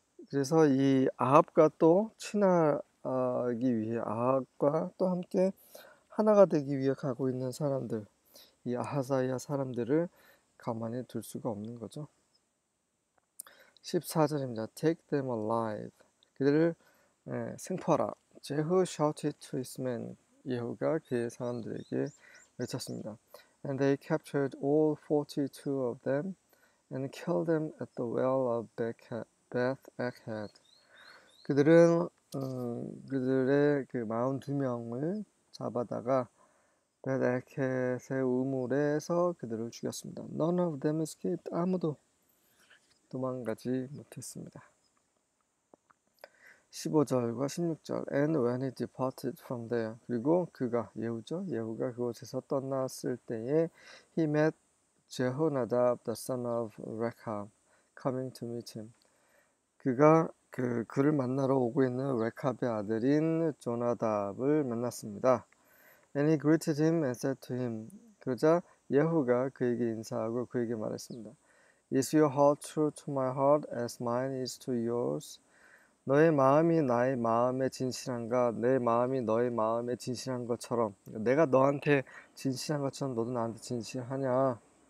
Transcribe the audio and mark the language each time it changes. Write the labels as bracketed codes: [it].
[ko] 그래서 이 아합과 또 친하기 위해 아합과 또 함께 하나가 되기 위해 가고 있는 사람들, 이 아하자야 사람들을 가만히 둘 수가 없는 거죠. 14절입니다. [en] Take them alive. [ko] 그들을 생포하라. [en] Jehu shouted to his men. [ko] 예후가 그의 사람들에게 외쳤습니다. [en] And they captured all 42 of them and killed them at the well of Beth Eked. [ko] 그들은 그들의 그 42명을 잡아다가 Beth Eked의 우물에서 그들을 죽였습니다. [en] None of them escaped. [ko] 아무도 도망가지 못했습니다. 15절과 16절. [en] And when he departed from there, [ko] 그리고 그가 예후죠. 예후가 그곳에서 떠났을 때에 [en] he met Jehonadab, the son of Rechab, coming to meet him. [ko] 그가 그 그를 만나러 오고 있는 레캅의 아들인 조나답을 만났습니다. [en] And he greeted him and said to him. [ko] 그러자 예후가 그에게 인사하고 그에게 말했습니다. [en] Is your heart true to my heart as mine is to yours? [ko] 너의 마음이 나의 마음에 진실한가? 내 마음이 너의 마음에 진실한 것처럼. 내가 너한테 진실한 것처럼 너도 나한테 진실하냐?